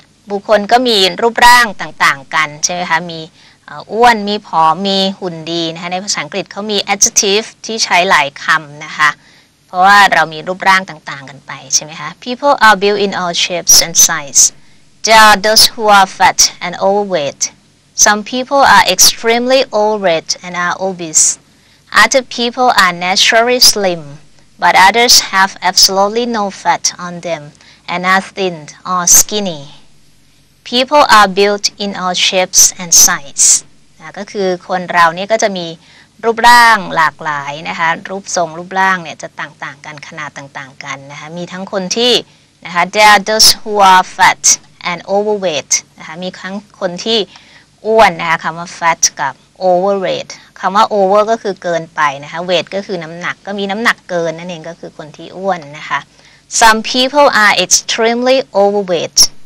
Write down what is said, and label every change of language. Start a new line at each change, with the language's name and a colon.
Thai: บุคคลก็มีรูปร่างต่างๆกันใช่ไหมคะมีอ้วนมีผอมมีหุ่นดีนะคะในภาษาอังกฤษเขามี adjective ที่ใช้หลายคำนะคะเพราะว่าเรามีรูปร่างต่างๆกันไปใช่ไหมคะ
English: People are built in all shapes and sizes. There are those who are fat and overweight. Some people are extremely overweight and are obese. Other people are naturally slim, but others have absolutely no fat on them and are thin or skinny. People are built in all shapes and sizes.
Thai: ก็คือคนเรานี่ก็จะมีรูปร่างหลากหลายนะคะรูปทรงรูปร่างเนี่ยจะต่างๆกันขนาดต่างๆกันนะคะมีทั้งคนที่นะคะ
English: there are those who are fat and overweight
Thai: นะคะมีทั้งคนที่อ้วนนะคะคำว่า fat กับ overweight คำว่า over ก็คือเกินไปนะคะ weight ก็คือน้ำหนักก็มีน้ำหนักเกินนั่นเองก็คือคนที่อ้วนนะคะ
English: some people are extremely overweight